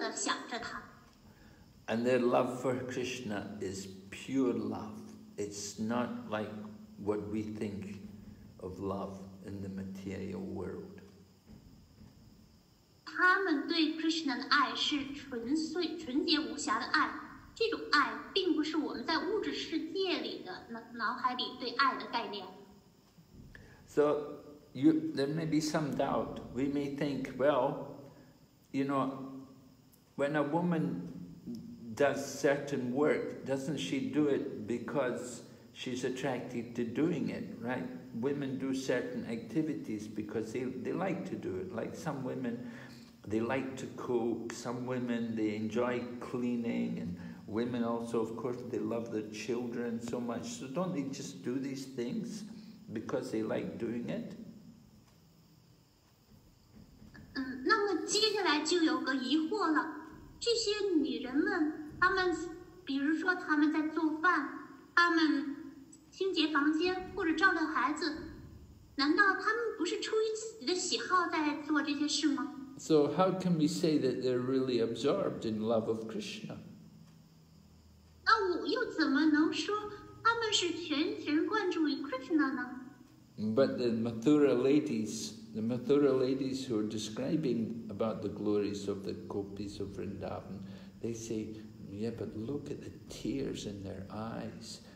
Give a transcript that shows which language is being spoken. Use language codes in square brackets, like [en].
[zh] 这就是这温达文的高品们幸运所在，他们总是在唱着他的名字，总是在内心看见他，总是时刻的想着他。 [en] And their love for Krishna is pure love. It's not like what we think of love in the material world. [zh] 他们对 Krishna 的爱是纯粹、纯洁无瑕的爱。 [en] So, there may be some doubt. We may think, well, you know, when a woman does certain work, doesn't she do it because she's attracted to doing it, right? Women do certain activities because they like to do it. Like some women, they like to cook. Some women, they enjoy cleaning and Women also, of course, they love their children so much. So don't they just do these things because they like doing it? [zh] 那么接下来就有个疑惑了，这些女人们，她们比如说她们在做饭，她们清洁房间或者照料孩子，难道她们不是出于自己的喜好在做这些事吗？ [en] So how can we say that they're really absorbed in love of Krishna? [zh] 那我又怎么能说她们是全神贯注于 Krishna 呢？ [en] But the Mathura ladies, the Mathura ladies who are describing about the glories of the gopis of Vrindavan, they say, yeah, but look at the tears in their eyes.